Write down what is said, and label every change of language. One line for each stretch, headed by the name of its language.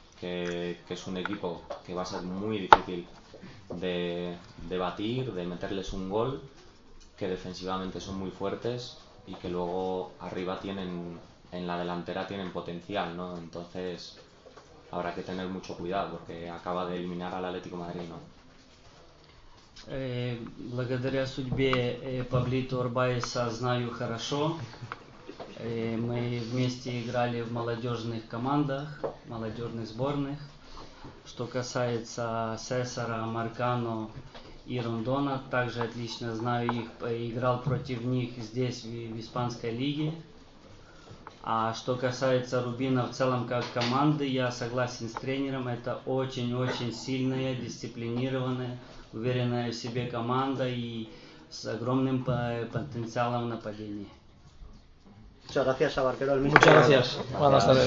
Spanish: Que es un equipo que va a ser muy difícil de batir, de meterles un gol, que defensivamente son muy fuertes y que luego arriba tienen, en la delantera tienen potencial, ¿no? Entonces habrá que tener mucho cuidado porque acaba de eliminar al Atlético Madrid, ¿no?
Russian: Благодаря судьбе Pablito Arbaiza знаю хорошо. Мы вместе играли в молодежных командах, молодежных сборных. Что касается Сесара, Маркано и Рондона, также отлично знаю их, играл против них здесь, в испанской лиге. А что касается Рубина в целом как команды, я согласен с тренером, это очень-очень сильная, дисциплинированная, уверенная в себе команда и с огромным потенциалом нападения.
Spanish: Muchas gracias, Barquero. Muchas gracias. Buenas tardes.